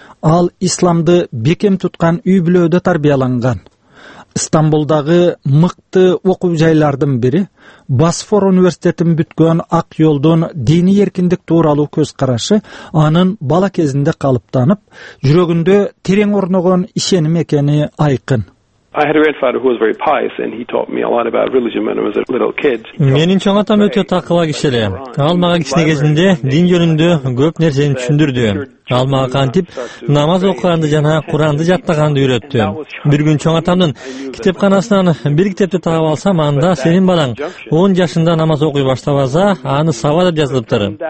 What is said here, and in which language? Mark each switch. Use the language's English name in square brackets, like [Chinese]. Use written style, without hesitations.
[Kyrgyz] Ал исламды бекем туткан үй бүлөдө тарбияланган. Стамбулдагы мыкты окуу жайлардын бири Босфор университетин бүткөн Акжолдун диний эркиндик тууралуу көз карашы анын бала кезинде калыптанып, жүрөгүндө терең орногон ишеним экени айкын. [English] I had a grandfather who was very pious and he taught me a lot about religion when I was a little kid. [Kyrgyz] Менин чоң атам өтө такыла киши эле. Ал мага кичине кезинде дин жөнүндө көп нерсени түшүндүрдү. Ал мага кантип намаз окуганды жана Куранды жаттаганды үйрөттү. Бир күн чоң атамдын китепканасынан бир китепти таап алсам, анда сенин балаң 10 жашында намаз окуй баштабаса, аны саба деп жазылыптыр.